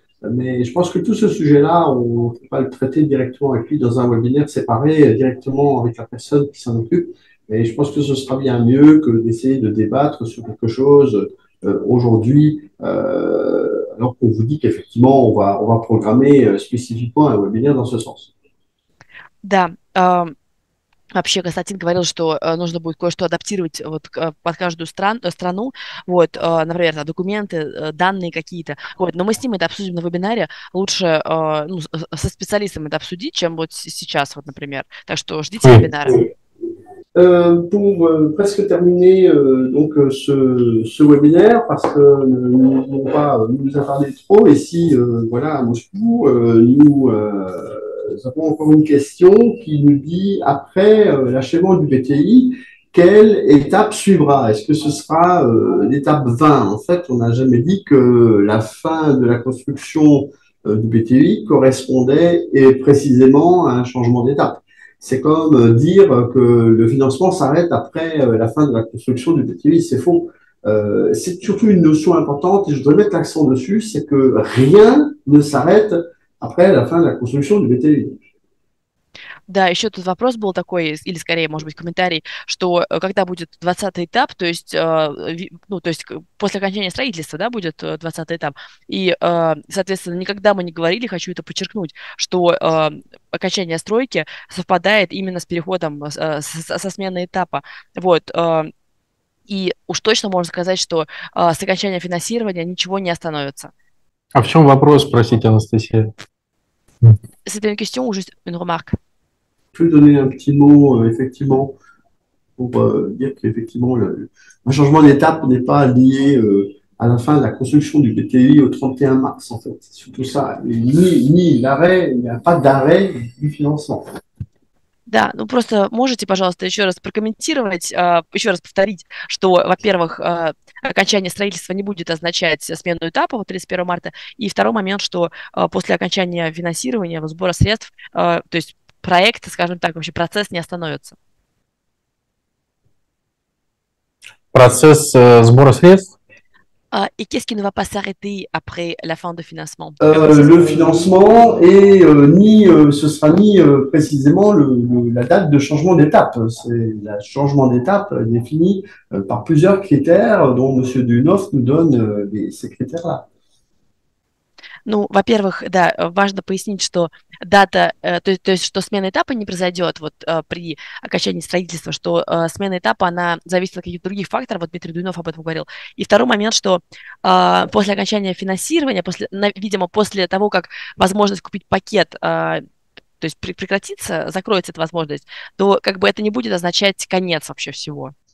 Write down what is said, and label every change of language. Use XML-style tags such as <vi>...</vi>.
<fr>Mais je pense que tout ce sujet-là, on ne peut pas le traiter directement avec lui dans un webinaire séparé, directement avec la personne qui s'en occupe. Mais je pense que ce sera bien mieux que d'essayer de débattre sur quelque chose. Aujourd'hui, alors qu'on vous dit qu'effectivement, on va programmer spécifiquement un webinaire dans ce sens.</fr> <ru>Да, вообще Константин говорил, что нужно будет кое-что адаптировать вот под каждую страну, вот, например, да, документы, данные какие-то, вот. Но мы с ним это обсудим на вебинаре, лучше ну, со специалистом это обсудить, чем вот сейчас, вот, например. Так что ждите вебинара.</ru> <fr>Pour presque terminer donc ce webinaire, parce que on va nous attarder trop, et si voilà à Moscou nous avons encore une question qui nous dit après l'achèvement du BTI, quelle étape suivra? Est-ce que ce sera l'étape 20? En fait, on n'a jamais dit que la fin de la construction du BTI correspondait et précisément à un changement d'étape. C'est comme dire que le financement s'arrête après la fin de la construction du BTI. C'est faux. C'est surtout une notion importante et je voudrais mettre l'accent dessus, c'est que rien ne s'arrête après la fin de la construction du BTI.</fr> <ru>Да, еще тут вопрос был такой, или скорее, может быть, комментарий, что когда будет 20-й этап, то есть, ну, то есть после окончания строительства, да, будет 20-й этап. И, соответственно, никогда мы не говорили, хочу это подчеркнуть, что окончание стройки совпадает именно с переходом, со сменой этапа. Вот. И уж точно можно сказать, что с окончанием финансирования ничего не остановится. А в чем вопрос, спросите, Анастасия?</ru> <fr>C'était une question ou juste une remarque? Peux donner un petit mot, effectivement, pour dire qu'effectivement, un changement d'étape n'est pas lié à la fin de la construction du BTI au 31 mars, en fait. C'est surtout ça. Et ni l'arrêt, il n'y a pas d'arrêt du financement.</fr> <ru>Да, ну просто можете, пожалуйста, еще раз прокомментировать, еще раз повторить, что, во-первых, окончание строительства не будет означать смену этапа вот, 31 марта, и второй момент, что после окончания финансирования, сбора средств, то есть проект, скажем так, вообще процесс не остановится. Процесс сбора средств.</ru> <fr>Et qu'est-ce qui ne va pas s'arrêter après la fin de financement, après ces Le sommes? financement et ni ce sera ni précisément la date de changement d'étape. C'est le changement d'étape défini par plusieurs critères dont Monsieur Dunoff nous donne ces critères-là.</fr> <ru>Ну, во-первых, да, важно пояснить, что дата, то есть, что смена этапа не произойдет вот при окончании строительства, что смена этапа, она зависит от каких-то других факторов, вот Дмитрий Дуйнов об этом говорил. И второй момент, что после окончания финансирования, видимо, после того, как возможность купить пакет, то есть прекратится, закроется эта возможность, то как бы это не будет означать конец вообще всего.</ru>